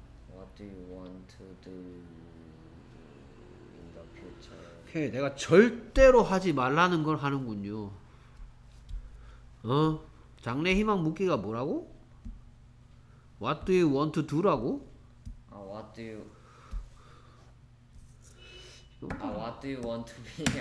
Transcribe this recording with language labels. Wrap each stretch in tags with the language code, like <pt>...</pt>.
<en>What do you want to do in the future?</en> <ko>오케이, 내가 절대로 하지 말라는 걸 하는군요. 어? 장래희망 묻기가 뭐라고?</ko> <en>What do you want to do라고? What do you What do you want to be?</en>